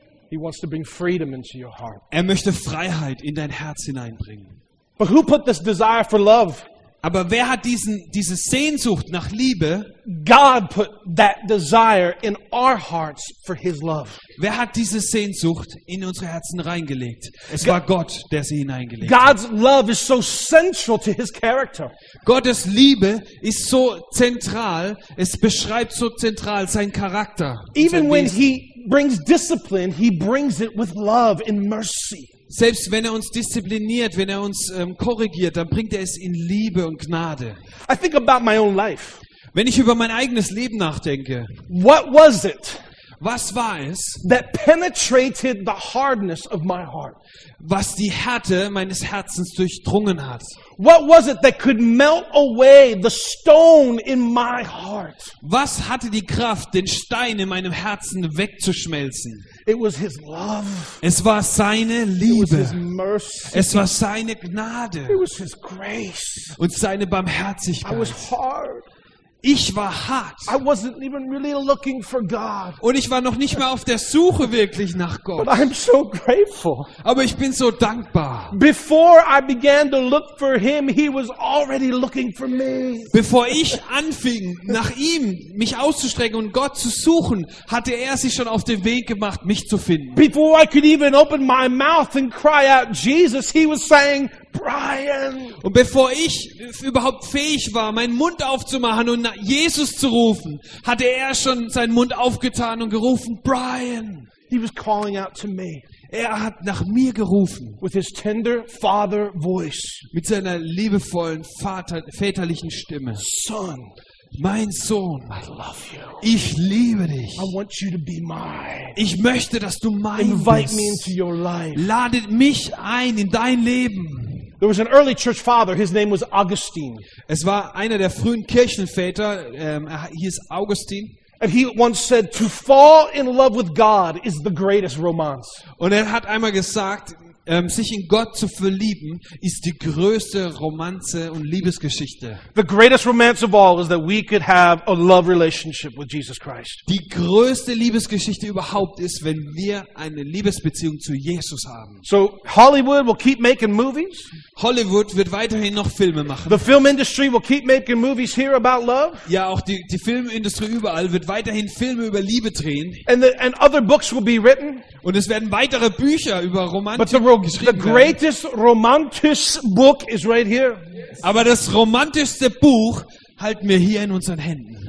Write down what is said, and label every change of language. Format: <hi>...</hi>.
<en>He wants to bring freedom into your heart.</en> <de>Er möchte Freiheit in dein Herz hineinbringen.</de> <en>But who put this desire for love?</en> <de>Aber wer hat diese Sehnsucht nach Liebe?</de> <en>God put that desire in our hearts for his love.</en> <de>Wer hat diese Sehnsucht in unsere Herzen reingelegt? Es war Gott, der sie hineingelegt hat.</de> <en>God's love is so central to his character.</en> <de>Gottes Liebe ist so zentral, es beschreibt so zentral seinen Charakter.</de> <en>Even when he brings discipline, he brings it with love and mercy.</en> <de>Selbst wenn er uns diszipliniert, wenn er uns korrigiert, dann bringt er es in Liebe und Gnade.</de> <en>I think about my own life.</en> <de>Wenn ich über mein eigenes Leben nachdenke,</de> <en>what was it?</en> <de>Was war es,</de> <en>that penetrated the hardness of my heart?</en> <de>Was die Härte meines Herzens durchdrungen hat?</de> <en>What was it that could melt away the stone in my heart?</en> <de>Was hatte die Kraft, den Stein in meinem Herzen wegzuschmelzen?</de> <en>It was his love.</en> <de>Es war seine Liebe.</de> <en>It was his mercy.</en> <de>Es war seine Gnade.</de> <en>It was his grace.</en> <de>Und seine Barmherzigkeit.</de> <en>I was hard.</en> <de>Ich war hart.</de> <en>I wasn't even really looking for God.</en> <de>Und ich war noch nicht mal auf der Suche wirklich nach Gott.</de> <en>But I'm so grateful.</en> <de>Aber ich bin so dankbar.</de> <en>Before I began to look for him, he was already looking for me.</en> <de>Bevor ich anfing, nach ihm mich auszustrecken und Gott zu suchen, hatte er sich schon auf den Weg gemacht, mich zu finden.</de> <en>Before I could even open my mouth and cry out Jesus, he was saying, Brian.</en> <de>Und bevor ich überhaupt fähig war, meinen Mund aufzumachen und nach Jesus zu rufen, hatte er schon seinen Mund aufgetan und gerufen, Brian.</de> <en>He was calling out to me.</en> <de>Er hat nach mir gerufen.</de> <en>With his tender father voice.</en> <de>Mit seiner liebevollen väterlichen Stimme.</de> <en>Son.</en> <de>Mein Sohn,</de> <en>I love you.</en> <de>Ich liebe dich.</de> <en>I want you to be mine.</en> <de>Ich möchte, dass du mein</de> <en>Invite</en> <de>bist.</de> <en>Me into your life.</en> <de>Lade mich ein in dein Leben.</de> <en>There was an early church father. His name was Augustine.</en> <de>Es war einer der frühen Kirchenväter. Er hieß Augustine.</de> <en>And he once said, "To fall in love with God is the greatest romance."</en> <de>Und er hat einmal gesagt, sich in Gott zu verlieben, ist die größte Romanze und Liebesgeschichte.</de> <en>The greatest romance of all is that we could have a love relationship with Jesus Christ.</en> <de>Die größte Liebesgeschichte überhaupt ist, wenn wir eine Liebesbeziehung zu Jesus haben.</de> <en>So Hollywood will keep making movies.</en> <de>Hollywood wird weiterhin noch Filme machen.</de> <en>The film industry will keep making movies here about love.</en> <de>Ja, auch die Filmindustrie überall wird weiterhin Filme über Liebe drehen.</de> <en>And other books will be written.</en> <de>Und es werden weitere Bücher über Romantik.</de> <en>The greatest romantic book is right here.</en> <de>Aber das romantischste Buch halten wir hier in unseren Händen.</de>